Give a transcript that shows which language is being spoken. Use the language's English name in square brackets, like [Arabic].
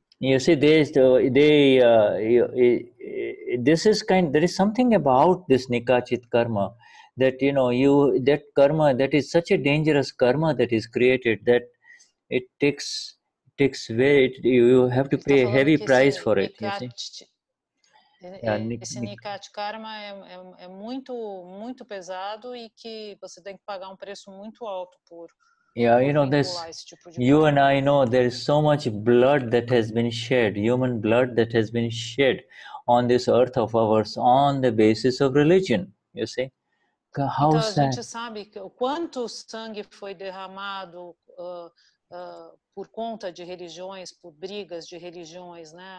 [English] You see, this is kind, there is something about this nikachit karma. That, you know, that karma, that is such a dangerous karma that is created that it takes weight, you have to pay a heavy price for it, you see. [Portuguese] Esse nikat karma é muito, muito pesado e que você tem que pagar preço muito alto por... [English] Yeah, you know, there's, you and I know there is so much blood that has been shed, human blood that has been shed on this earth of ours on the basis of religion, you see. [Portuguese] Então, a gente sabe o quanto sangue foi derramado por conta de religiões, por brigas de religiões, né?